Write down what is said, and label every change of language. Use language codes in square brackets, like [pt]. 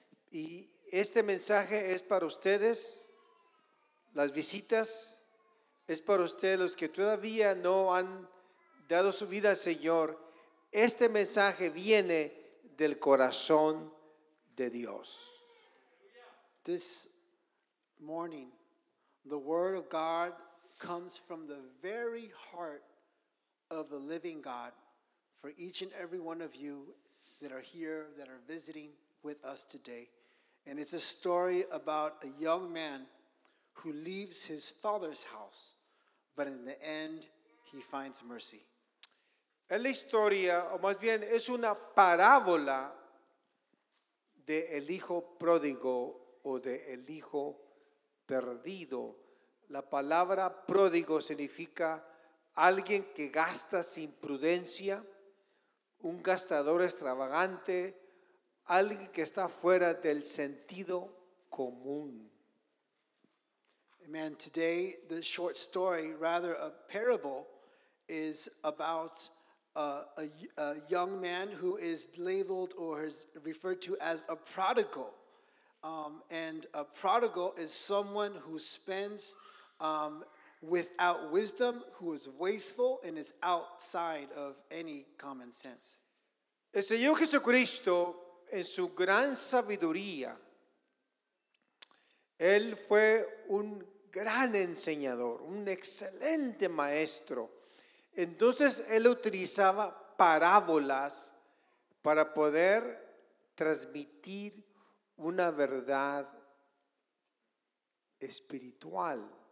[es] Y este mensaje es para ustedes, las visitas, es para ustedes los que todavía no han dado su vida al Señor. Este mensaje viene del corazón de Dios. [en] This morning, the word of God comes from the very heart of the living God for each and every one of you that are here, that are visiting with us today. And it's a story about a young man who leaves his father's house, but in the end, he finds mercy. [es] Es la historia, o más bien es una parábola de el hijo pródigo o de el hijo perdido. La palabra pródigo significa alguien que gasta sin prudencia, un gastador extravagante, alguien que está fuera del sentido común. Amen. [en] Today, the short story, rather a parable, is about a young man who is labeled or is referred to as a prodigal. And a prodigal is someone who spends without wisdom, who is wasteful and is outside of any common sense. [es] El Señor Jesucristo, en su gran sabiduría, él fue un gran enseñador, un excelente maestro. Entonces, él utilizaba parábolas para poder transmitir una verdad espiritual.